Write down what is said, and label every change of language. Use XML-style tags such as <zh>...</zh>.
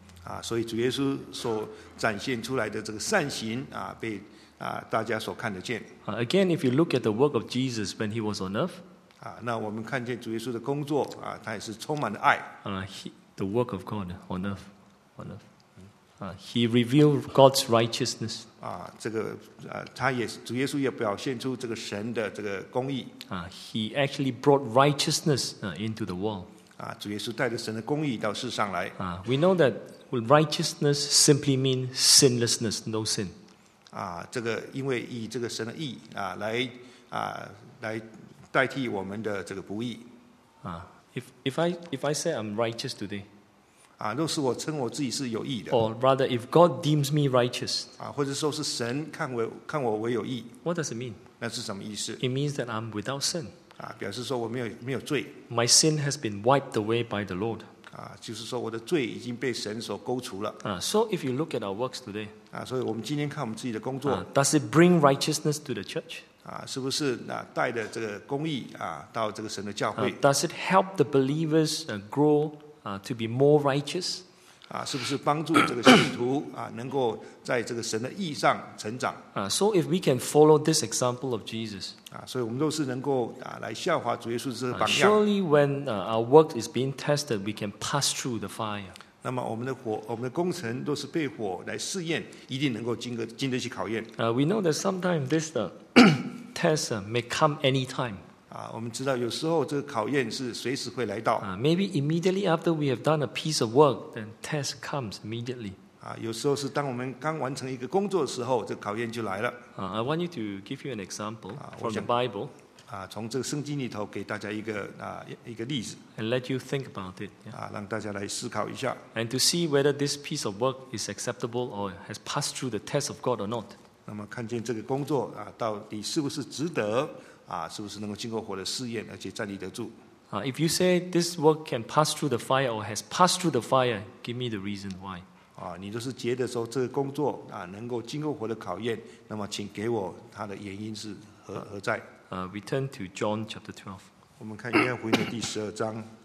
<zh>啊，所以主耶稣所展现出来的这个善行啊，被啊大家所看得见。</zh> <en>Again, if you look at the work of Jesus when he was on earth,</en> <zh>啊，那我们看见主耶稣的工作啊，他也是充满了爱。</zh> <en>The work of God on earth, on earth. He revealed God's righteousness.</en> <zh>啊，这个啊，他也主耶稣也表现出这个神的这个公义。</zh> <en>He actually brought righteousness into the world.</en> <zh>啊，主耶稣带着神的公义到世上来。</zh> <en>We know that righteousness simply means sinlessness, no sin.</en> <zh>啊，这个因为以这个神的义啊来啊来代替我们的这个不义。</zh> <en>If I say I'm righteous today.</en> <zh>啊，若是我称我自己是有义的。</zh> <en>Or rather, if God deems me righteous.</en> <zh>啊，或者说是神看我为有义。</zh> <en>What does it mean?</en> <zh>那是什么意思？</zh> <en>It means that I'm without sin.</en> <zh>啊，表示说我没有罪。</zh> <en>My sin has been wiped away by the Lord.</en> <zh>啊，就是说我的罪已经被神所勾除了。</zh> <en>So if you look at our works today.</en> <zh>啊，所以我们今天看我们自己的工作。</zh> <en>Does it bring righteousness to the church?</en> <zh>啊，是不是那带着这个公义啊，到这个神的教会？</zh> <en>Does it help the believers grow to be more righteous?</en> <zh>啊，是不是帮助这个信徒啊，能够在这个神的义上成长？</zh> <en>So if we can follow this example of Jesus,</en> <zh>啊，所以我们都是能够啊来效法主耶稣这个榜样。</zh> <en>Surely when our work is being tested, we can pass through the fire.</en> <zh>那么我们的工程都是被火来试验，一定能够经得起考验。</zh> <en>We know that sometimes this the test may come anytime.</en> <zh>啊，我们知道有时候这个考验是随时会来到。</zh> <en>Maybe immediately after we have done a piece of work, then test comes immediately.</en> <zh>啊，有时候是当我们刚完成一个工作的时候，这个考验就来了。</zh> <en>I want you to give you an example from the Bible.</en> <zh>啊，从这个圣经里头给大家一个一个例子。</zh> <en>And let you think about it.</en> <zh>啊，让大家来思考一下。</zh> <en>And to see whether this piece of work is acceptable or has passed through the test of God or not.</en> <zh>那么看见这个工作啊，到底是不是值得啊？是不是能够经过火的试验，而且站立得住？</zh> <en>If you say this work can pass through the fire or has passed through the fire, give me the reason why.</en> <zh>啊，你都是觉得说这个工作啊能够经过火的考验，那么请给我它的原因是何在？</zh> <en>Return to John chapter 12.</en> <zh>我们看约翰福音的第十二章。</zh>